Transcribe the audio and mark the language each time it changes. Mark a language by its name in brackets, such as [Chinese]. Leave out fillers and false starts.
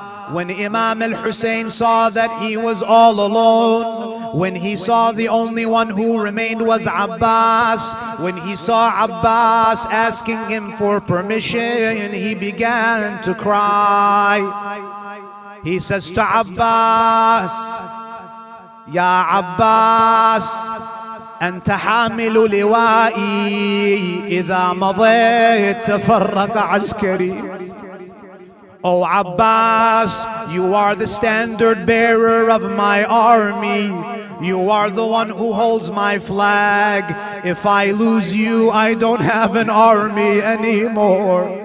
[English] When Imam al-Hussein saw that he was all alone, when he saw the only one who remained was Abbas, when he saw Abbas asking him for permission, he began to cry. He says to Abbas, [Arabic] Ya Abbas, أنت حامل لوائي إذا مضيت تفرق عسكري. [English] Oh Abbas, you are the standard bearer of my army. You are the one who holds my flag. If I lose you, I don't have an army anymore.